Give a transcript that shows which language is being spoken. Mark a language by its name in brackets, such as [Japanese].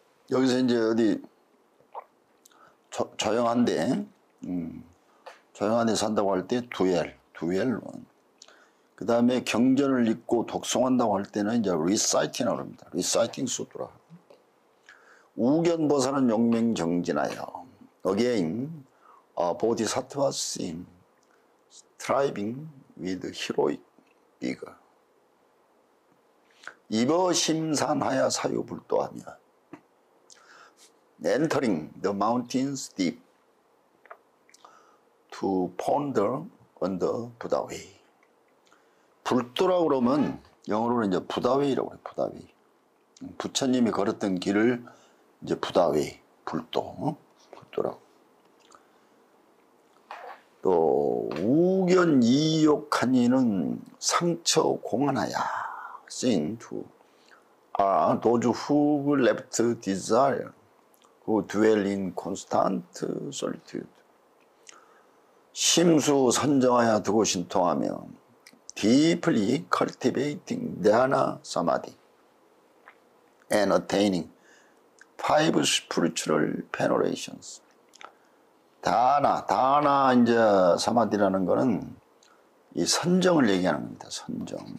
[Korean] 여기서 이제 어디, 조용한데 산다고 할 때, [English] dwell alone. [Korean] 그 다음에 경전을 읽고 독송한다고 할 때는 이제 reciting 합니다. [English] reciting sutra. [Korean] 우견 보살은 용맹 정진하여. [English] Again, a bodhisattva seen striving with heroic vigor. [Korean] 입어 심산하여 사유 불도하며. [English] Entering the mountains deep to ponder on the Buddha way. [Korean] 불도라고 그러면 영어로는 이제 부다웨이라고 해요. 부다웨이. 부처님이 걸었던 길을 이제 부다웨이, 불도, 불도라고. 또 우견 이욕하니는 상처 공안하야. [English] Seen to are those who left desire who dwell in constant solitude. [Korean] 심수 선정하야 두고 신통하며. [English] Deeply cultivating dhyana samadhi and attaining five spiritual penetrations. [Korean] Dhyana 이제 samadhi라는 것은 이 선정을 얘기하는 겁니다. 선정.